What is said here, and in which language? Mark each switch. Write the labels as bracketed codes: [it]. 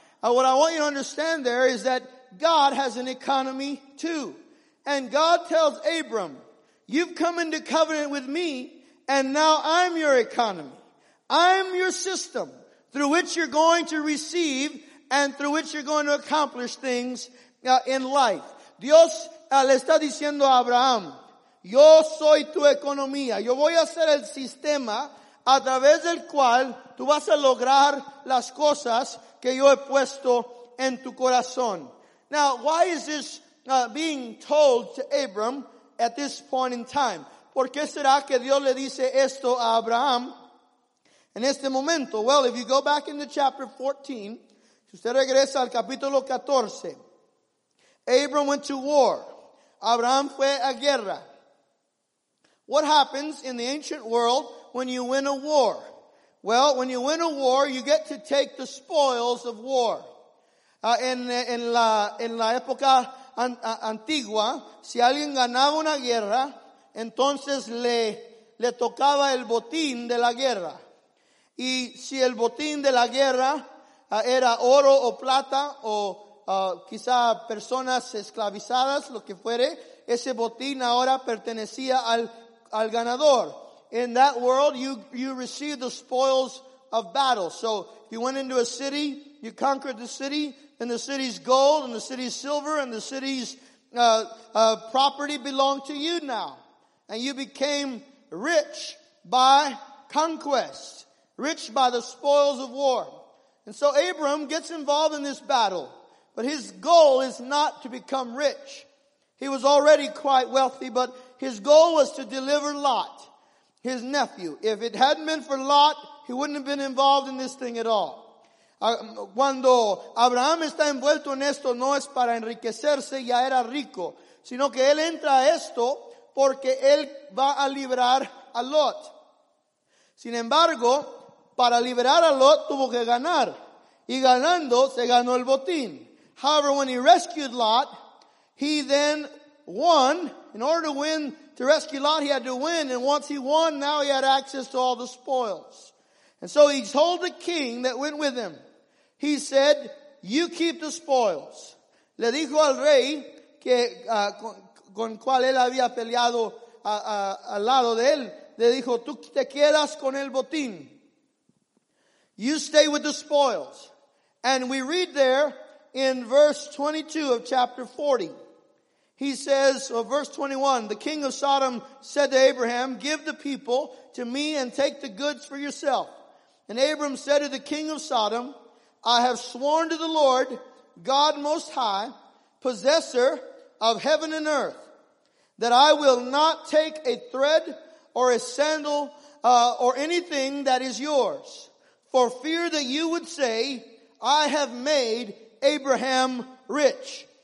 [en] What I want you to understand there is that God has an economy too. And God tells Abram, you've come into covenant with me, and now I'm your economy. I'm your system. through which you're going to receive and through which you're going to accomplish things in life. [es] Dios le está diciendo a Abraham, yo soy tu economía. Yo voy a ser el sistema a través del cual tú vas a lograr las cosas que yo he puesto en tu corazón. [en] Now, why is this being told to Abram at this point in time? [es] ¿Por qué será que Dios le dice esto a Abraham en este momento? [en] Well, if you go back into chapter 14, [es] si usted regresa al capítulo 14, [en] Abram went to war. [es] Abraham fue a guerra. [en] What happens in the ancient world when you win a war? Well, when you win a war, you get to take the spoils of war. [es] En la época antigua, si alguien ganaba una guerra, entonces le tocaba el botín de la guerra. Y si el botín de la guerra era oro o plata o quizá personas esclavizadas, lo que fuere, ese botín ahora pertenecía al ganador. [en] In that world, you receive the spoils of battle. So if you went into a city, you conquered the city, and the city's gold and the city's silver and the city's property belonged to you now. And you became rich by conquest, rich by the spoils of war. And so Abram gets involved in this battle, but his goal is not to become rich. He was already quite wealthy, but his goal was to deliver Lot, his nephew. If it hadn't been for Lot, he wouldn't have been involved in this thing at all. [es] Cuando Abraham está envuelto en esto, no es para enriquecerse, ya era rico, sino que él entra a esto porque él va a liberar a Lot. Sin embargo, para liberar a Lot tuvo que ganar, y ganando se ganó el botín. [en] However, when he rescued Lot, he then won. In order to win, to rescue Lot, he had to win. And once he won, now he had access to all the spoils. And so he told the king that went with him. He said, you keep the spoils. [es] Le dijo al rey que con cual él había peleado al lado de él. Le dijo, tú te quedas con el botín. [en] You stay with the spoils. And we read there in verse 22 of chapter 40. He says, well, verse 21, the king of Sodom said to Abraham, give the people to me and take the goods for yourself. And Abram said to the king of Sodom, I have sworn to the Lord, God Most High, possessor of heaven and earth, that I will not take a thread or a sandal or anything that is yours, for fear that you would say, I have made Abraham rich.